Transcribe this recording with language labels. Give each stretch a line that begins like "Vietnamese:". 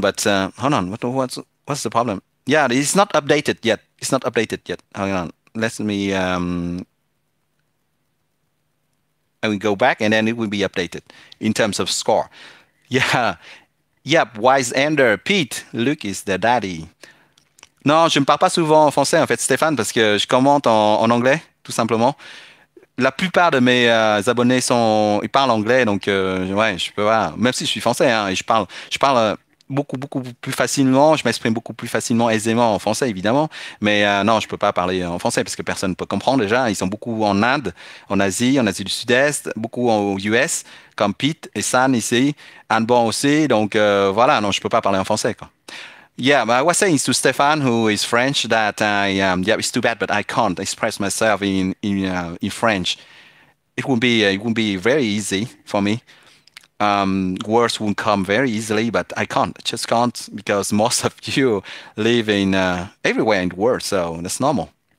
English: But hold on, what's the problem? Yeah, it's not updated yet. It's not updated yet. Hold on. Let me I will go back and then it will be updated in terms of score. Yeah. Yep, Wise Ender, Pete, Luke is the daddy.
French: Non, je ne parle pas souvent en français, en fait, Stéphane, parce que je commente en anglais, tout simplement. La plupart de mes abonnés ils parlent anglais, donc ouais, je peux voir. Même si je suis français, hein, et je parle beaucoup, beaucoup plus facilement, je m'exprime beaucoup plus facilement, aisément en français, évidemment. Mais non, je ne peux pas parler en français, parce que personne ne peut comprendre déjà. Ils sont beaucoup en Inde, en Asie du Sud-Est, beaucoup en US, comme Pete et San ici, Anbon aussi. Donc voilà, non, je ne peux pas parler en français, quoi.
English: Yeah, but I was saying to Stefan, who is French, that it's too bad, but I can't express myself in French. It would be very easy for me. Words won't come very easily, but I can't, just can't, because most of you live in everywhere in the world, so that's normal.